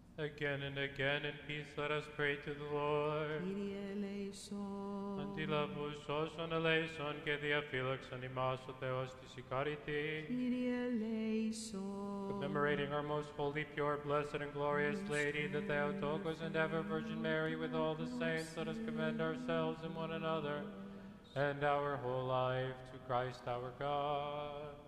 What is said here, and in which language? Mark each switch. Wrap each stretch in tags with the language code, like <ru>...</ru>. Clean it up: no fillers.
<en>Again and again in peace let us pray to the Lord.</en> <el>Κύριε ελέησον. Αντιλαβούς σώσον ελέησον και διαφύλαξον ημάς ο Θεός της ικάρητη. Κύριε ελέησον.</el> <en>Commemorating our most holy, pure, blessed and glorious Lady, the Theotokos and ever Virgin Mary with all the saints, let us commend ourselves and one another and our whole life to Christ our God.</en>